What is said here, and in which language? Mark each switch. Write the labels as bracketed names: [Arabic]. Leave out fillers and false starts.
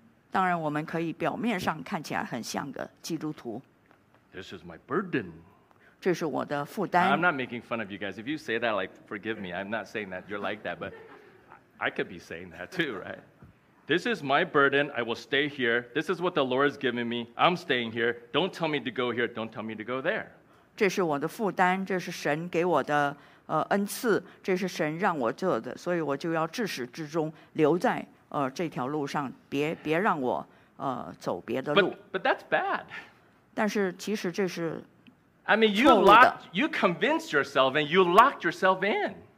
[Chinese] 当然，我们可以表面上看起来很像个基督徒。 [English] This is my burden. [Chinese] 这是我的负担。 [English] I'm not making fun of you guys. If you say that, like, forgive me. I'm not saying that you're like that, but I could be saying that too, right? This is my burden. I will stay here. This is what the Lord has given me. I'm staying here. Don't tell me to go here. Don't tell me to go there. [Chinese] 这是我的负担，这是神给我的恩赐，这是神让我做的，所以我就要至始至终留在这条路上，别让我走别的路。 [English] But that's bad. [Chinese] 但是其实这是 [English] I mean, you convinced yourself and you locked yourself in.